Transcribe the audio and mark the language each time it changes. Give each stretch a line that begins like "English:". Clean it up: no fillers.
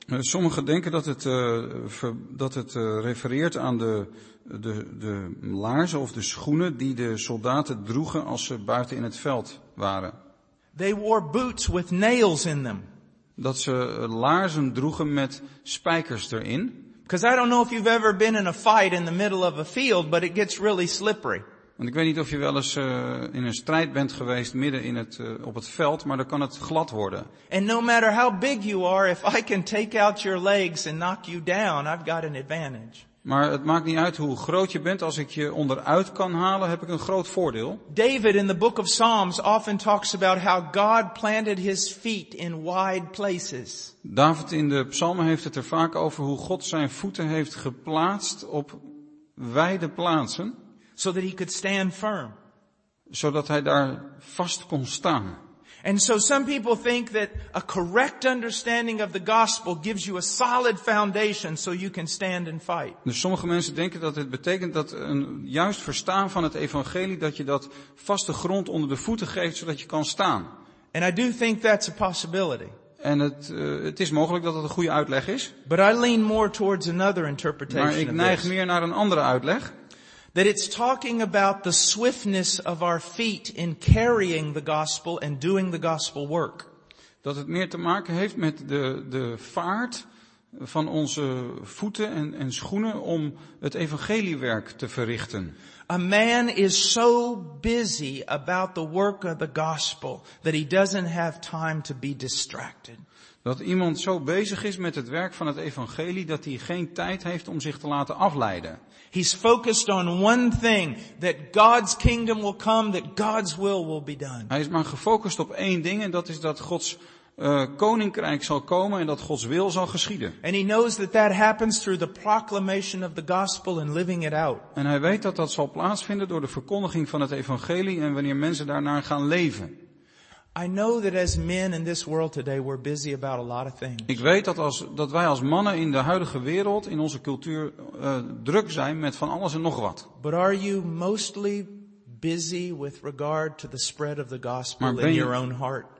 Dutch: Sommigen denken dat het refereert aan de laarzen of de schoenen die de soldaten droegen als ze buiten in het veld waren.
English: They wore boots with nails in them.
Dutch: Dat ze laarzen droegen met spijkers erin.
English: Because I don't know if you've ever been in a fight in the middle of a field, but it gets really slippery.
Dutch: Want ik weet niet of je wel eens in een strijd bent geweest midden in het op het veld, maar dan kan het glad worden.
English: And no matter how big you are, if I can take out your legs and knock you down, I've got an advantage.
Dutch: Maar het maakt niet uit hoe groot je bent. Als ik je onderuit kan halen, heb ik een groot voordeel.
English: David in the book of Psalms often talks about how God planted his feet in wide places.
Dutch: David in de Psalmen heeft het er vaak over hoe God zijn voeten heeft geplaatst op wijde plaatsen.
English: So that he could stand firm.
Dutch: Zodat hij daar vast kon staan.
English: And so some people think that a correct understanding of the gospel gives you a solid foundation so you can stand and fight.
Dutch: Dus sommige mensen denken dat het betekent dat een juist verstaan van het evangelie dat je dat vaste grond onder de voeten geeft zodat je kan staan.
English: And I do think that's a possibility.
Dutch: En het is mogelijk dat het een goede uitleg is.
English: But I lean more towards another interpretation.
Dutch: Maar ik neig meer naar een andere uitleg.
English: That it's talking about the swiftness of our feet in carrying the gospel and doing the gospel work.
Dutch: Dat het meer te maken heeft met de vaart van onze voeten en schoenen om het evangeliewerk te verrichten.
English: A man is so busy about the work of the gospel that he doesn't have time to be distracted.
Dutch: Dat iemand zo bezig is met het werk van het evangelie dat hij geen tijd heeft om zich te laten afleiden.
English: He's focused on one thing, that God's kingdom will come, that God's will be done.
Dutch: Hij is maar gefocust op één ding en dat is dat Gods koninkrijk zal komen en dat Gods wil zal geschieden.
English: And he knows that that happens through the proclamation of the gospel and living it out.
Dutch: En hij weet dat dat zal plaatsvinden door de verkondiging van het evangelie en wanneer mensen daarnaar gaan leven.
English: I know that as men in this world today we're busy about a lot of things.
Dutch: Ik weet dat wij als mannen in de huidige wereld in onze cultuur druk zijn met van alles en nog wat.
English: But are you mostly busy with regard to the spread of the gospel in your own heart?